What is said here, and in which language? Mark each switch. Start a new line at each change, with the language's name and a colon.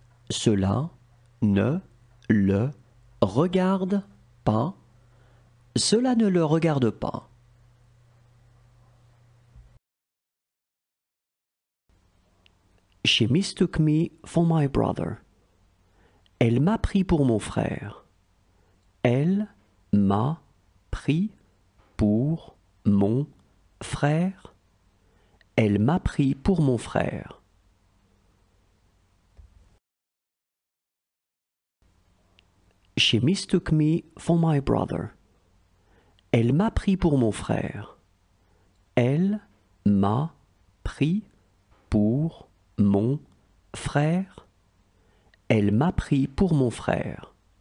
French: Cela ne le regarde pas. Cela ne le regarde pas.
English: She mistook me for my brother.
French: Elle m'a pris pour mon frère. Elle m'a pris pour mon frère. Elle m'a pris pour mon frère.
English: She mistook me for my brother.
French: Elle m'a pris pour mon frère. Elle m'a pris pour mon frère. Elle m'a pris pour mon frère.